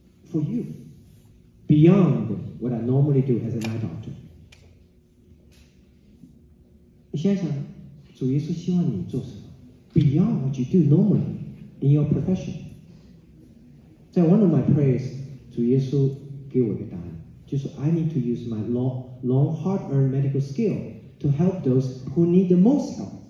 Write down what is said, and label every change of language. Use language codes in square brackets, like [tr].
[en] For you， beyond what I normally do as an eye doctor。 [zh] 你想想，主耶稣希望你做什么？ [en] Beyond what you do normally in your profession. In one of my prayers, [zh] 主耶稣给我一个答案，就是 [en] I need to use my long hard-earned medical skill to help those who need the most help.